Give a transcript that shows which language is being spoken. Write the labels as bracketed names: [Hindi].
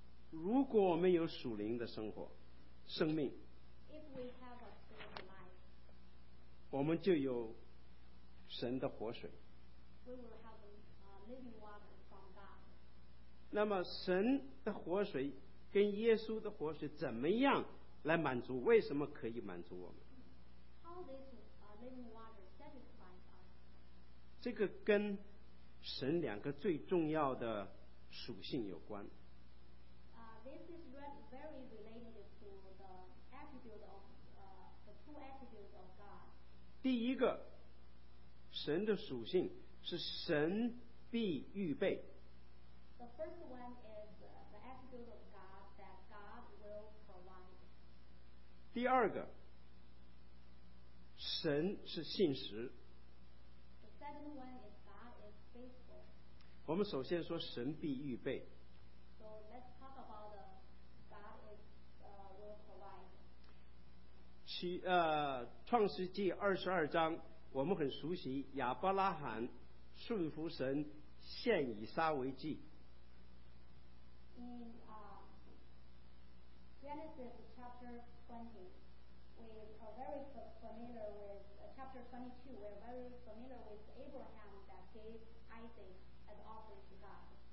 [Chinese] 如果我们有属灵的生活生命， [English] If we have a spiritual life, [Chinese] 我们就有神的活水。 [English] We will have living water from God. [Chinese] 那么神的活水跟耶稣的活水怎么样来满足？为什么可以满足我们？ [English] How this, living water satisfies us? [Chinese] 这个跟神两个最重要的属性有关。 [English] This is very related to the attribute of the two attributes of God. [Chinese] 第一个，神的属性是神必预备。 [English] The first one is the attribute of God, that God will provide. [Chinese] 第二个，神是信实。 [English] The second one is God is faithful. [Chinese] 我们首先说神必预备。 [English] So let's talk about God is will provide. [Chinese] 创世纪二十二章，我们很熟悉亚伯拉罕顺服神献以撒为祭。 [English] In Genesis chapter 20, we are very familiar with chapter 22. We are very familiar with Abraham that gave Isaac as offering to God.